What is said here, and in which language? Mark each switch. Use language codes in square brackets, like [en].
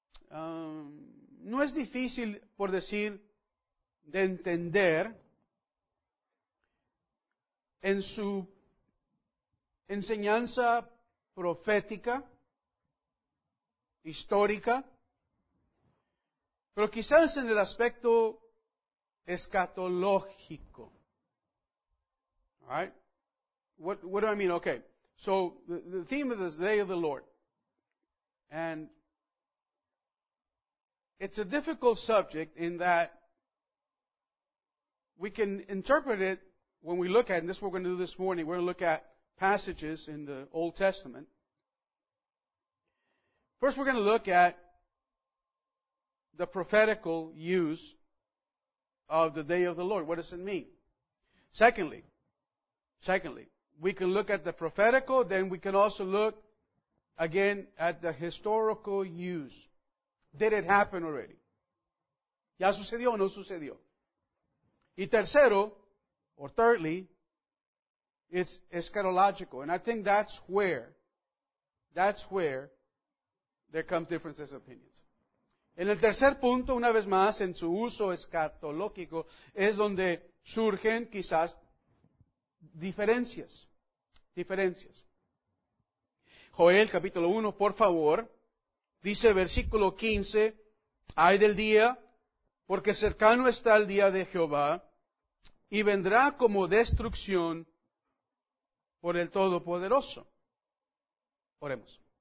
[es] No es difícil, por decir, de entender en su enseñanza profética, histórica, pero quizás en el aspecto escatológico. [en] Alright? What do I mean? Okay. So, the theme is the day of the Lord. And it's a difficult subject in that we can interpret it when we look at, and this is what we're going to do this morning, we're going to look at passages in the Old Testament. First, we're going to look at the prophetical use of the day of the Lord. What does it mean? Secondly, we can look at the prophetical, then we can also look again at the historical use. Did it happen already? [es] ¿Ya sucedió o no sucedió? Y tercero, [en] or thirdly, it's eschatological. And I think that's where there come differences of opinions. [es] En el tercer punto, una vez más, en su uso escatológico, es donde surgen quizás diferencias. Joel, capítulo 1, por favor, dice versículo 15, ay del día, porque cercano está el día de Jehová, y vendrá como destrucción por el Todopoderoso. Oremos.